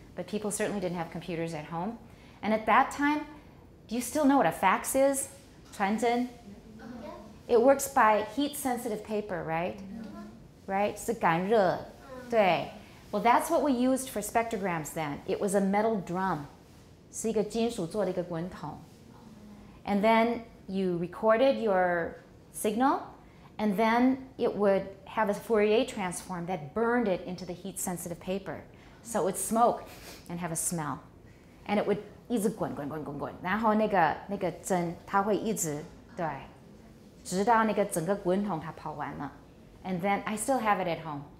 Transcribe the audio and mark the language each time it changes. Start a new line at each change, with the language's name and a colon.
English: But people certainly didn't have computers at home. And at that time, do you still know what a fax is, Trenton? It works by heat-sensitive paper, right? Right?
Chinese: 是感热。对。
English: Well, that's what we used for spectrograms then. It was a metal drum.
Chinese: 是一个金属做的一个滚筒。
English: And then you recorded your... signal, and then it would have a Fourier transform that burned it into the heat-sensitive paper. So it would smoke and have a smell. And it would
Chinese: 一直滚滚滚滚滚然后那个针它会一直对直到那个整个滚筒它跑完了
English: And then I still have it at home.